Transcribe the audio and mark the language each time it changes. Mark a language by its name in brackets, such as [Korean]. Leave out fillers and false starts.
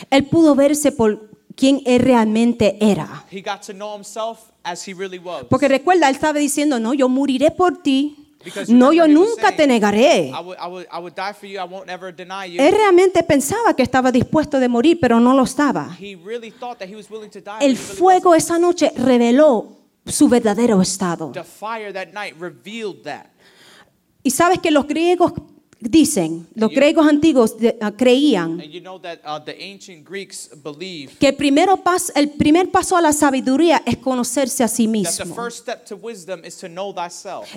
[Spanish] él pudo verse por quién él realmente era. [English] He got to know himself as he really was. [Spanish] Porque recuerda, él estaba diciendo, no, yo moriré por ti. [English] Because [Spanish] no, yo nunca [English] saying, [Spanish] te negaré. [English] I would die for you. I won't ever deny you. [Spanish] Él realmente pensaba que estaba dispuesto de morir, pero no lo estaba. [English] He really thought that he was willing to die. [Spanish] El fuego esa noche reveló su verdadero estado. [English] The fire that night revealed that. [Spanish] Y sabes que los griegos dicen, los griegos antiguos creían que el primer paso a la sabiduría es conocerse a sí mismo. [English] The first step to wisdom is to know thyself.